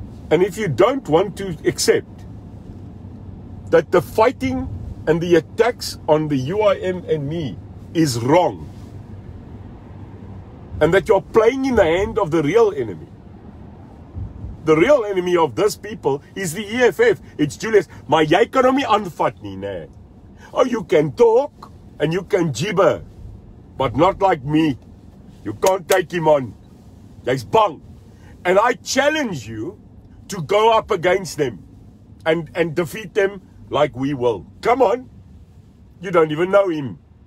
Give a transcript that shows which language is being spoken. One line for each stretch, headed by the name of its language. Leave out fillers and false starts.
English: And if you don't want to accept that the fighting and the attacks on the UIM and me is wrong, and that you're playing in the hand of the real enemy. The real enemy of this people is the EFF. It's Julius.
Afrikaans: Maar jy kan hom nie aanvat nie, nee.
English: Oh, you can talk and you can jibber, but not like me. You can't take him on.
Afrikaans: Jy's bang.
English: And I challenge you to go up against them and defeat them. Like we will. Come on. You don't even know him.